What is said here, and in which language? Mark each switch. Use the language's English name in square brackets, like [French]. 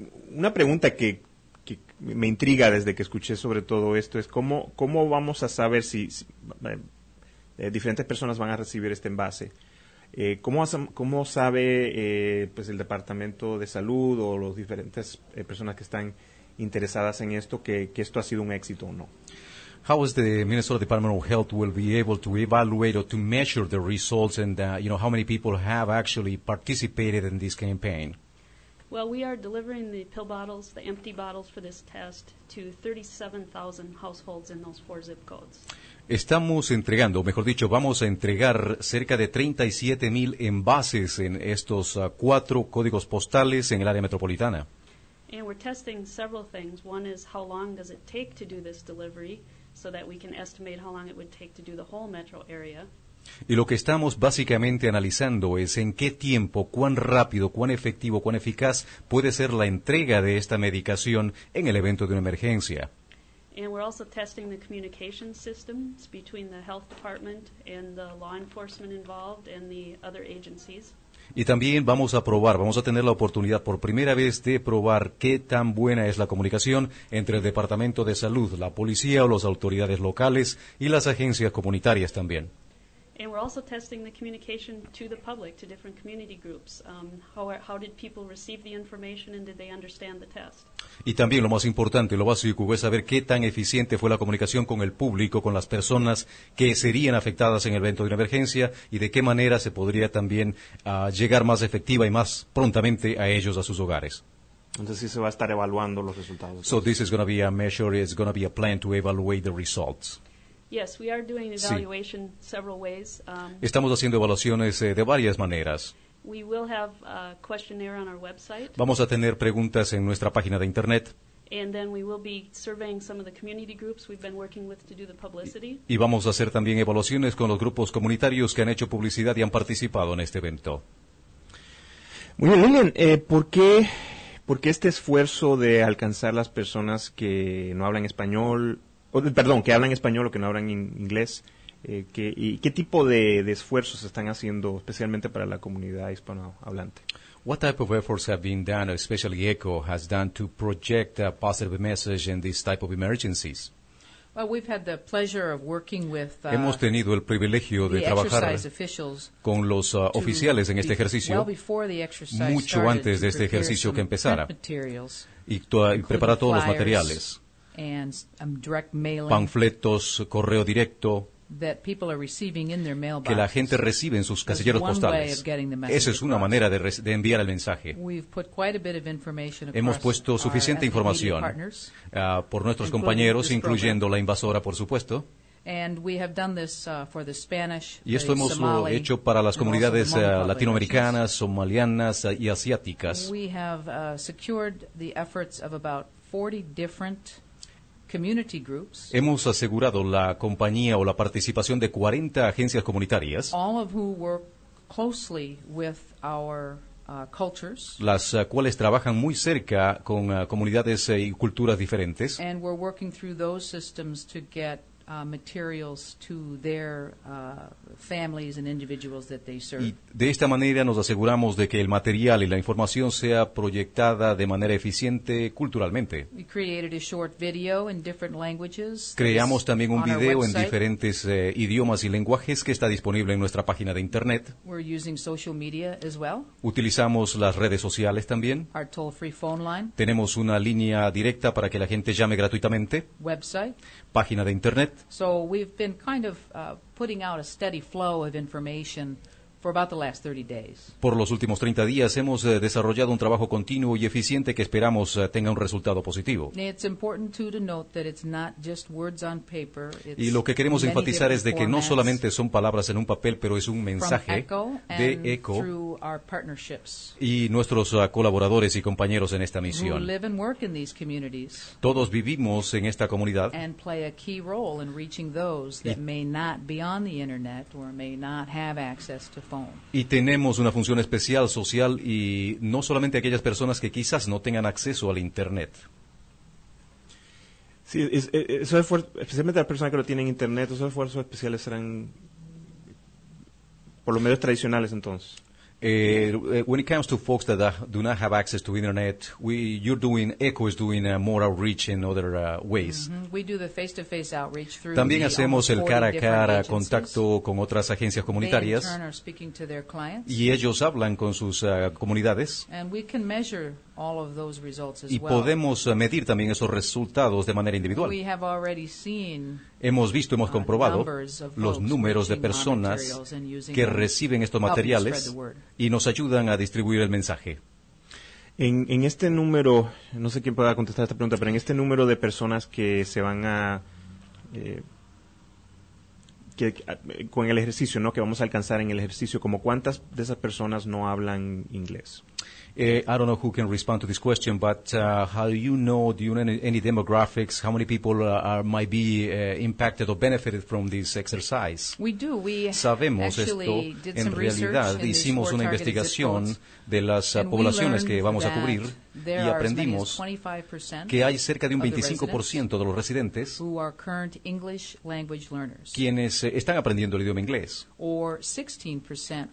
[Spanish] Una pregunta que me intriga desde que escuché sobre todo esto es cómo vamos a saber si diferentes personas van a recibir este envase. ¿Cómo sabe el Departamento de Salud o las diferentes personas que están interesadas en esto que esto ha sido un éxito o no? [English] How is the Minnesota Department of Health will be able to evaluate or to measure the results and how many people have actually participated in this campaign? Well, we are delivering the pill bottles, the empty bottles for this test, to 37,000 households in those 4 zip codes. [Spanish] Estamos entregando, mejor dicho, vamos a entregar cerca de 37,000 envases en estos cuatro códigos postales en el área metropolitana. [English] And we're testing several things. One is how long does it take to do this delivery so that we can estimate how long it would take to do the whole metro area. [Spanish] Y lo que estamos básicamente analizando es en qué tiempo, cuán rápido, cuán efectivo, cuán eficaz puede ser la entrega de esta medicación en el evento de una emergencia. [English] And we're also testing the communication systems between the health department and the law enforcement involved and the other agencies. [Spanish] Y también vamos a probar, vamos a tener la oportunidad por primera vez de probar qué tan buena es la comunicación entre el Departamento de Salud, la policía o las autoridades locales y las agencias comunitarias también. [English] And we're also testing the communication to the public, to different community groups. How did people receive the information and did they understand the test? [Spanish] Y también lo más importante, lo básico, es saber qué tan eficiente fue la comunicación con el público, con las personas que serían afectadas en el evento de una emergencia y de qué manera se podría también llegar más efectiva y más prontamente a ellos, a sus hogares. Entonces sí se va a estar evaluando los resultados. [English] So this is going to be a measure, it's going to be a plan to evaluate the results. Yes, we are doing evaluation several ways. [Spanish] Estamos haciendo evaluaciones de varias maneras. [English] We will have a questionnaire on our website. [Spanish] Vamos a tener preguntas en nuestra página de internet. [English] And then we will be surveying some of the community groups we've been working with to do the publicity. [Spanish] Y vamos a hacer también evaluaciones con los grupos comunitarios que han hecho publicidad y han participado en este evento. Muy bien, Lilian, ¿por qué este esfuerzo de alcanzar las personas que no hablan español? Que hablan español o que no hablan inglés, ¿qué tipo de esfuerzos están haciendo especialmente para la comunidad hispanohablante? [English] What type of efforts have been done, especially ECHO has done, to project a positive message in this type of emergencies? Well, we've had the pleasure of working with [Spanish] hemos tenido el privilegio de trabajar con los oficiales en este ejercicio mucho antes de este ejercicio que empezara y preparar todos los materiales. [English] And direct mailing, [Spanish] panfletos, correo directo [English] that people are receiving in their mailboxes, [Spanish] que la gente recibe en sus casilleros postales. Esa es una manera de enviar el mensaje. [English] We've put quite a bit of information. [Spanish] Hemos puesto suficiente información por nuestros compañeros, incluyendo la invasora, por supuesto. [English] And we have done this for the Spanish, [Spanish] y esto hemos [English] Somali, [Spanish] hecho para las comunidades latinoamericanas, somalianas y asiáticas. [English] We have secured the efforts of about 40 different community groups. [Spanish] Hemos asegurado la compañía o la participación de 40 agencias comunitarias. [English] All of who work closely with our cultures. [Spanish] Las cuales trabajan muy cerca con comunidades y culturas diferentes. [English] And we're working through those systems to get materials to their families and individuals that they serve. [Spanish] Y de esta manera nos aseguramos de que el material y la información sea proyectada de manera eficiente culturalmente. [English] We created a short video in different languages. [Spanish] Creamos también un video en diferentes idiomas y lenguajes que está disponible en nuestra página de internet. [English] We're using social media as well. [Spanish] Utilizamos las redes sociales también. [English] Our toll-free phone line. [Spanish] Tenemos una línea directa para que la gente llame gratuitamente. [English] Website. [Spanish] Página de internet. [English] So we've been kind of putting out a steady flow of information for about the last 30 days. [Spanish] Por los últimos 30 días hemos desarrollado un trabajo continuo y eficiente que esperamos tenga un resultado positivo. [English] It's important too to note that it's not just words on paper. [Spanish] Y lo que queremos enfatizar es de que no solamente son palabras en un papel, pero es un mensaje de ECHO [English] through our partnerships [Spanish] y nuestros colaboradores y compañeros en esta misión. [English] Who live and work in these communities. [Spanish] Todos vivimos en esta comunidad [English] and play a key role in reaching those that may not be on the internet or may not have access to. [Spanish] Y tenemos una función especial, social, y no solamente aquellas personas que quizás no tengan acceso al internet. Sí, esos esfuerzos, especialmente las personas que no tienen internet, esos esfuerzos especiales serán por los medios tradicionales entonces. [English] When it comes to folks that do not have access to internet, ECHO is doing more outreach in other ways. Mm-hmm. We do the face-to-face outreach through. [Spanish] También hacemos el cara a cara contacto con otras agencias comunitarias. [English] They in turn are speaking to their clients. [Spanish] Y ellos hablan con sus comunidades. [English] And we can measure all of those results as well. [Spanish] Y podemos medir también esos resultados de manera individual. [English] We have already seen. [Spanish] Hemos visto, hemos comprobado los números de personas que reciben estos materiales y nos ayudan a distribuir el mensaje. En este número, no sé quién pueda contestar esta pregunta, pero en este número de personas que se van a que con el ejercicio, ¿no? Que vamos a alcanzar en el ejercicio, como cuántas de esas personas no hablan inglés. [English] I don't know who can respond to this question, but how do you know, any demographics, how many people might be impacted or benefited from this exercise? We do. We [Spanish] sabemos esto. En realidad, hicimos una investigación de las poblaciones que vamos a cubrir y aprendimos que hay cerca de un 25% de los residentes [English] who are current English language learners, [Spanish] quienes están aprendiendo el idioma inglés, [English] or 16%